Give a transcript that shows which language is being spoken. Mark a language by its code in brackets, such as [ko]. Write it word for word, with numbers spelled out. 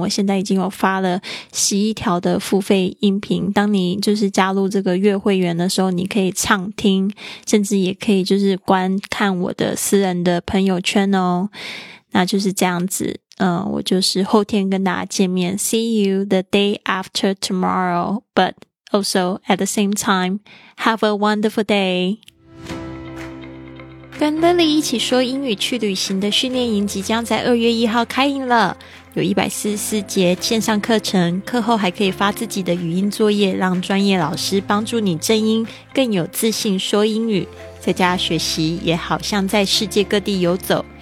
[zh] 我现在已经有发了十一条的付费音频，当你就是加入这个月会员的时候，你可以畅听，甚至也可以就是观看我的私人的朋友圈哦。那就是这样子，嗯，我就是后天跟大家见面。 [en] See you the day after tomorrow, but also at the same time, have a wonderful day. [zh] 跟 Lily 一起说英语去旅行的训练营即将在二月一号开营了，有一百四十四节线上课程，课后还可以发自己的语音作业，让专业老师帮助你正音，更有自信说英语。在家学习也好像在世界各地游走。